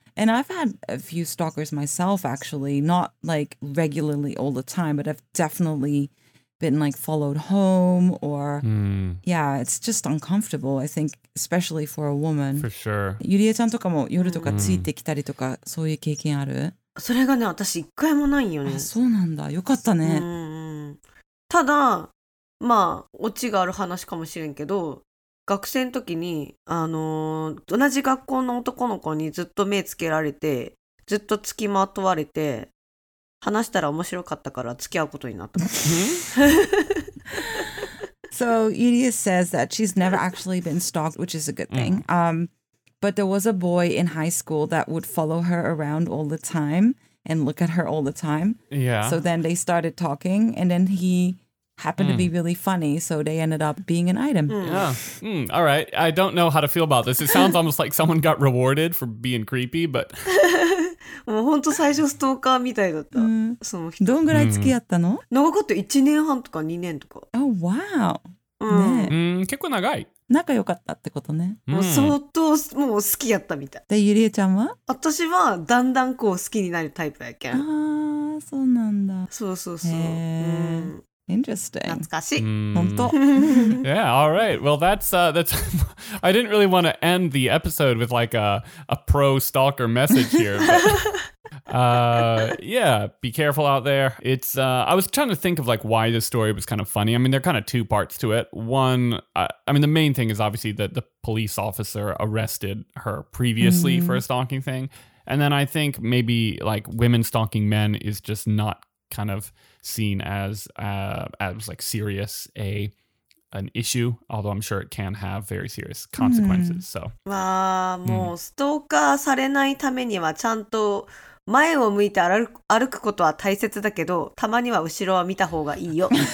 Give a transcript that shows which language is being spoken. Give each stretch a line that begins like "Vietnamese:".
English: And I've had a few stalkers myself, actually. Not like regularly all the time, but I've definitely been like followed home or、 mm. yeah, it's just uncomfortable, I think, especially for a woman. For sure.
Japanese: Yuria-chan とかも夜とかついてきたりとか、mm. そういう経験ある？それがね、私一回もないよね。あ、そうなんだ。よかったね。ただ、まあ、オチがある話かもしれんけど、学生の時に、同じ学校の男の子にずっと目つけられて、ずっと付きまとわれて、話したら面白かったから付き合うことになった。
English: So, Yuria says that she's never actually been stalked, which is a good thing.、Mm-hmm. But there was a boy in high school that would follow her around all the time and look at her all the time. Yeah. So then they started talking and then he happened、mm. to be really funny. So they ended up being an item. Yeah. Mm. All right. I don't know how to feel about this. It sounds almost like someone got rewarded for being creepy, but...
Japanese: もう本当最初ストーカーみたいだった、うん、その人どんぐらい付き合ったの、うん、長かった1年半とか2年とか
English: Oh, wow、
Japanese: うんねうん、結構長い仲良かったってことね、うん、もう相当もう好きやったみたいでゆりえちゃんは私はだんだんこう好きになるタイプやけんあーそうなんだそうそうそう、
English: Interesting.
Japanese: 懐かしい。本当。
English: Yeah, all right. Well, that's I didn't really want to end the episode with like a pro stalker message here. yeah, be careful out there. It's I was trying to think of like why this story was kind of funny. I mean, there are kind of two parts to it. One, I mean, the main thing is obviously that the police officer arrested her previously for a stalking thing. And then I think maybe like women stalking men is just not kind of seen as like serious an issue, although I'm sure it can have very serious consequences.、Mm. So,
Japanese: もうストーカーされないためにはちゃんと前を向いて歩くことは大切だけど、たまには後ろは見た方がいいよ。